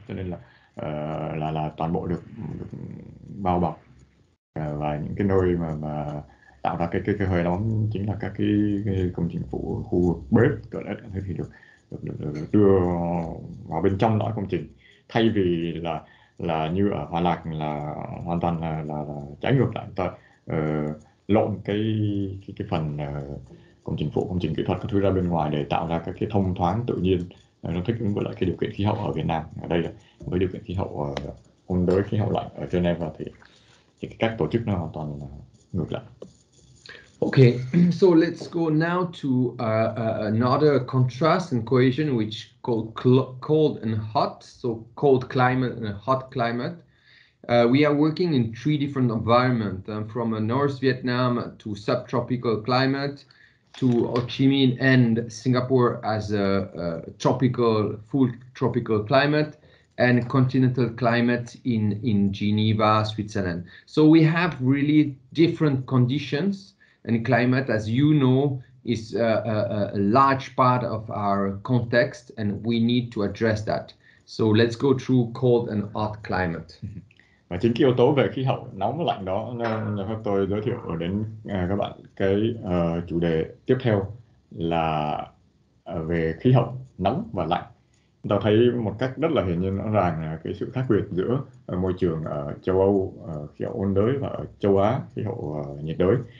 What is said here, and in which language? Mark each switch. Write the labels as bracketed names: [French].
[Vietnamese] Cho nên là toàn bộ được bao bọc, và những cái nơi mà tạo ra cái hơi nóng chính là các cái công trình phụ, khu vực bếp, toilet thì được đưa vào bên trong lõi công trình, thay vì là như ở Hòa Lạc là hoàn toàn là trái ngược lại, ta lộn cái phần công trình phụ, công trình kỹ thuật các thứ ra bên ngoài để tạo ra các cái thông thoáng tự nhiên, nó thích ứng với lại cái điều kiện khí hậu ở Việt Nam. Ở đây với điều kiện khí hậu ôn đới, khí hậu lạnh ở Geneva thì các tổ chức nó hoàn toàn ngược lại. [English] Okay, so let's go now to another contrast and cohesion, which called cold and hot, so cold climate and hot climate. We are working in three different environments, from a North Vietnam to subtropical climate, to Ho Chi Minh and Singapore as a tropical, full tropical climate, and continental climate in Geneva, Switzerland. So we have really different conditions. And climate, as you know, is a large part of our context, and we need to address that. So let's go through cold and hot climate. [Vietnamese] Và chính cái yếu tố về khí hậu nóng và lạnh đó, tôi giới thiệu đến các bạn cái chủ đề tiếp theo là về khí hậu nóng và lạnh. Chúng ta thấy một cách rất là hiển nhiên rõ ràng là cái sự khác biệt giữa môi trường ở châu Âu, khí hậu ôn đới, và ở châu Á, khí hậu nhiệt đới.